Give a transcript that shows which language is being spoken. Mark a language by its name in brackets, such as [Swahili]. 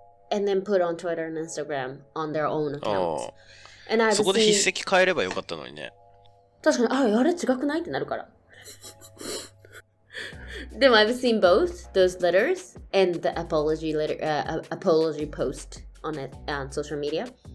[English] And then put on Twitter and Instagram on their own accounts. [Japanese] そこで筆跡変えればよかったのにね。確かに。あれ違くないってなるから。 [English] でも I've seen both those letters and the apology letter、apology post on it on social media.